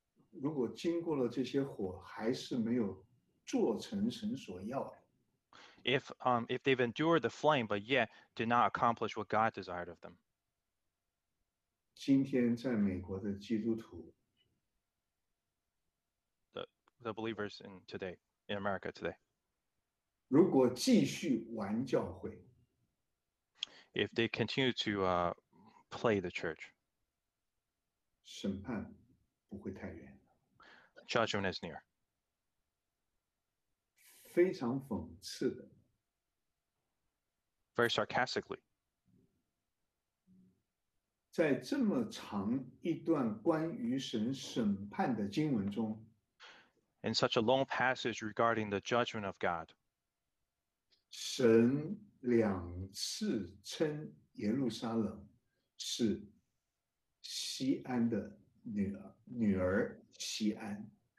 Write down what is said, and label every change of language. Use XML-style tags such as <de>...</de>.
<zh>如果经过了这些火还是没有做成神所要的。</zh> <en>If they've endured the flame, but yet did not accomplish what God desired of them.</en> <zh>今天在美国的基督徒。</zh> <en>The believers in today, in America today.</en> <zh>如果继续玩教会。</zh> <en>If they continue to play the church,</en> <zh>审判不会太远。</zh> <en>Judgment is near.</en> <zh>非常讽刺的。</zh> <en>Very sarcastically.</en> <zh>在这么长一段关于神审判的经文中。</zh> <en>In such a long passage regarding the judgment of God.</en> <zh>神两次称耶路撒冷是西安的女儿西安。</zh>